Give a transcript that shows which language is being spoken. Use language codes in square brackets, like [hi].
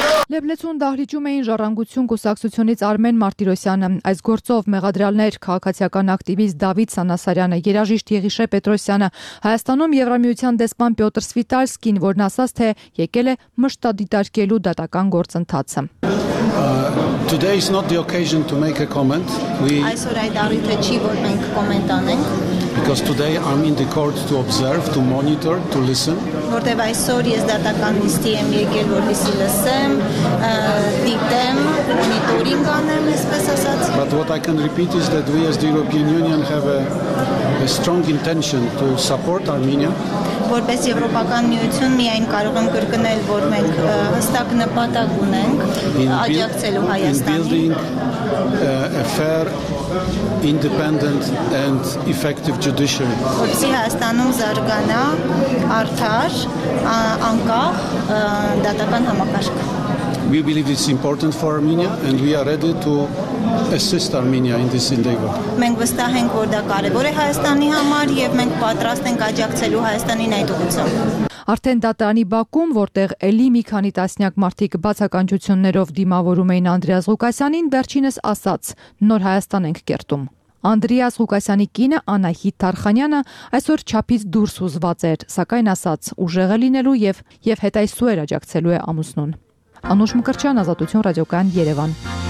[hy] Լեբլեցուն դահլիճում էին ժառանգություն կուսակցությունից Արմեն Մարտիրոսյանը, այս գործով մեղադրալներ քաղաքացիական ակտիվիստ Դավիթ Սանասարյանը, երաժիշտ Եղիշե Պետրոսյանը, Հայաստանում Եվրամիության դեսպան Պյոտր Սվիտալսկին, որն ասաց, թե եկել է մշտադիտարկելու դատական գործընթացը։ [en] Today is not the occasion to make a comment. [hy] Այսօր այդ առիթը չի, որ մենք կոմենտ անենք. [en] Because today I'm in the court to observe, to monitor, to listen. [hy] Որտեղ այսօր ես դատական լիստի եմ եկել, որպեսզի լսեմ, դիտեմ, մոնիտորինգ անեմ, այսպես ասած. [en] But what I can repeat is that we as the European Union have a strong intention to support Armenia. [hy] Որպես Եվրոպական միություն միայն կարող եմ կրկնել, որ մենք հստակ նպատակ ունենք աջակցելու Հայաստանին. [en] In building a fair, independent and effective judiciary. [hy] Որպեսզի Հայաստանում զարգանա արդար, անկախ դատական համակարգ. [en] We believe it's important for Armenia and we are ready to assist Armenia in this endeavor. [hy] Մենք վստահ ենք, որ դա կարևոր է Հայաստանի համար եւ մենք պատրաստ ենք աջակցելու Հայաստանին այդ ուղղությամբ։ Արդեն դատարանի Բաքում, որտեղ ելի մի քանի տասնյակ մարդիկ բացականչություններով դիմավորում էին Անդրեաս Ղուկասյանին, վերջինս ասաց. «Նոր Հայաստան ենք կերտում»։ Անդրեաս Ղուկասյանի կինը Անահիտ Թարխանյանը այսօր չափից դուրս ուզված էր, սակայն ասաց՝ ուժեղ է լինելու եւ հետայսուեր աջակցելու է ամուսնուն։ Անուշ Մկրտչյան, Ազատություն ռադիոկայան, Երևան։